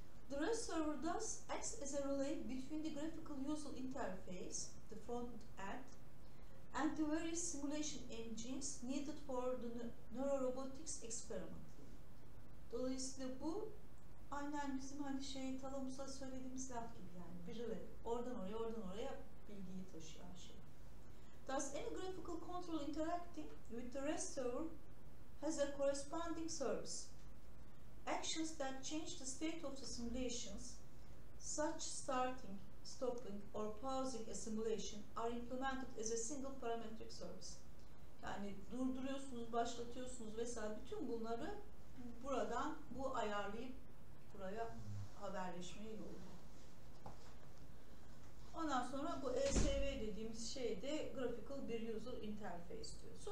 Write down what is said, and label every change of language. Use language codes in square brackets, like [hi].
[en] The REST server does acts as a relay between the graphical user interface, the front end, and the various simulation engines needed for the neurorobotics experiment. [tr] Dolayısıyla bu aynen bizim hani şey Talamus'a söylediğimiz laf gibi, yani bir relay. Oradan oraya, oradan oraya bilgiyi taşıyor her şey. [en] Thus, any graphical control interacting with the restorer has a corresponding service. Actions that change the state of the simulations, such starting, stopping, or pausing a simulation, are implemented as a single parametric service. [tr] Yani durduruyorsunuz, başlatıyorsunuz vesaire, bütün bunları buradan bu ayarlayıp buraya haberleşmeye yolluyor. Ondan sonra bu ESV dediğimiz şey de graphical bir user interface diyor.